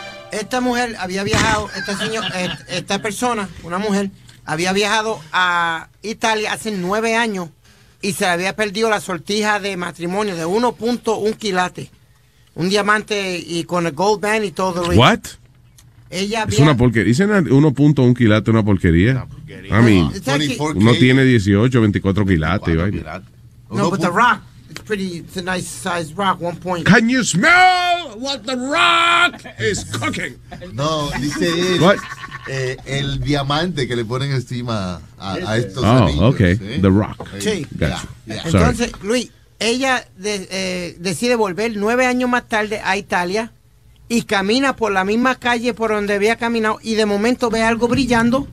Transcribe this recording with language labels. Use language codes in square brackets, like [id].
[es] Esta mujer había viajado, esta persona, una mujer, había viajado a Italia hace 9 años y se le había perdido la sortija de matrimonio de 1.1 quilate. Un diamante y con el [en] gold band [es] y todo. [en] Luis. What? [es] Ella había... Es una porquería. Dicen 1.1 quilate, una porquería. A mí, uno tiene 18, 24 quilates. No, [en] but the rock, it's pretty, it's a nice size rock, 1.1. Can you smell what the rock is cooking? [es] No, dice él. [en] What? [es] El diamante que le ponen encima a estos oh, anillos. [en] Oh, okay. ¿Eh? The rock. [es] Sí. [en] Gotcha. Yeah. Sorry. [es] Entonces, Luis, ella decide volver 9 años más tarde a Italia. Y camina por la misma calle por donde había caminado y de momento ve algo brillando.